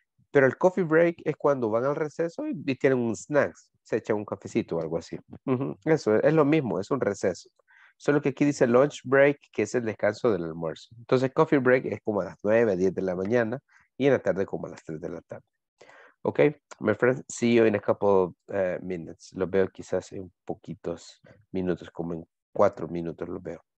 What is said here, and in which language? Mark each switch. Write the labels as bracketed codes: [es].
[es] Pero el coffee break es cuando van al receso y tienen un snack, se echan un cafecito o algo así. Eso es lo mismo, es un receso. Solo que aquí dice lunch break, que es el descanso del almuerzo. Entonces, coffee break es como a las 9, 10 de la mañana y en la tarde como a las 3 de la tarde. [en] Okay, my friends, see you in a couple of minutes. [es] Lo veo quizás en poquitos minutos, como en 4 minutos lo veo.